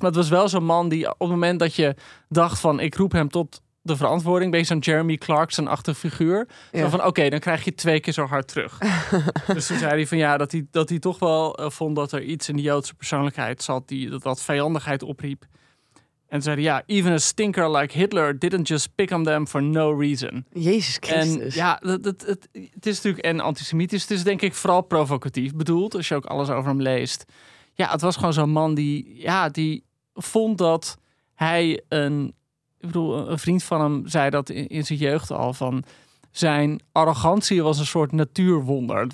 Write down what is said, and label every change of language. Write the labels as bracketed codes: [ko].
[nl] Maar het was wel zo'n man die op het moment dat je dacht van, ik roep hem tot de verantwoording, ben je zo'n Jeremy Clarkson-achtig figuur. Ja. Van oké, dan krijg je twee keer zo hard terug. Dus toen zei hij van ja, dat hij toch wel vond dat er iets in de Joodse persoonlijkheid zat die dat vijandigheid opriep. En zei hij, ja, [en] even a stinker like Hitler didn't just pick on them for no reason. [nl] Jezus Christus. En ja, het is natuurlijk en antisemitisch. Het is denk ik vooral provocatief bedoeld, als je ook alles over hem leest. Ja, het was gewoon zo'n man die, ja, die vond dat hij een, ik bedoel, een vriend van hem zei dat in zijn jeugd al, van zijn arrogantie was een soort natuurwonder.